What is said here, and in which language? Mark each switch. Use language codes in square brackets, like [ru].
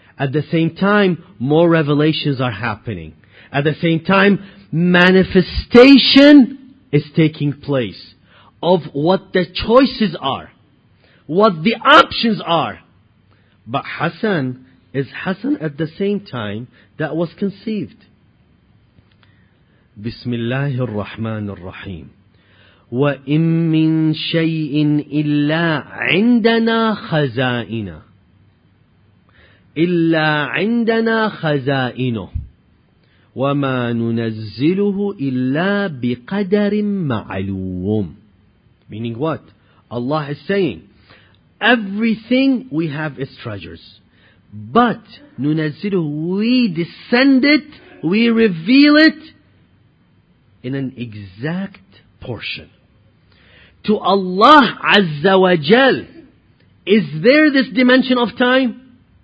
[en] At the same time, more revelations are happening. At the same time, manifestation is taking place of what the choices are, what the options are. But Hassan is Hassan at the same time that was conceived. [ar] بسم الله الرحمن الرحيم وإن من شيء إلا عندنا خزائنه إلا عندنا خزائنه وما ننزله إلا بقدر معلوم. [en] Meaning what? Allah is saying, everything we have is treasures, but ننزله, we descend it, we reveal it in an exact portion. To Allah Azza wa Jal, is there this dimension of time?